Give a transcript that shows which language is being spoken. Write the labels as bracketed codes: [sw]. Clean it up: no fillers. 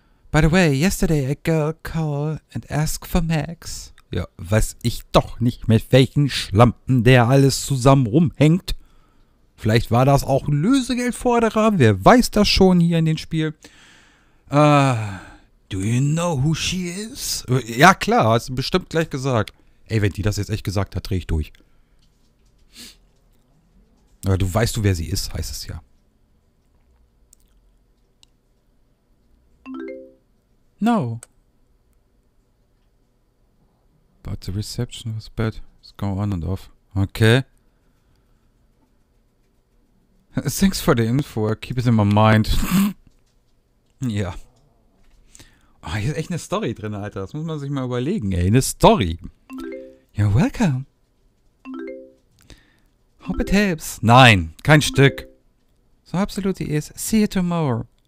[en] By the way, yesterday a girl called and asked for Max. [de] Ja, weiß ich doch nicht, mit welchen Schlampen der alles zusammen rumhängt. Vielleicht war das auch ein Lösegeldforderer. Wer weiß das schon hier in dem Spiel? [en] Do you know who she is? [de] Ja, klar, hast du bestimmt gleich gesagt. Ey, wenn die das jetzt echt gesagt hat, dreh ich durch. Aber du weißt, wer sie ist, heißt es ja. [en] No. But the reception was bad. It's going on and off. Okay. Thanks for the info. Keep it in my mind. Ja. [de] Oh, hier ist echt eine Story drin, Alter. Das muss man sich mal überlegen, ey. Eine Story. [en] You're welcome. Hope it helps. [de] Nein, kein Stück. So absolut wie es. [en] See you tomorrow.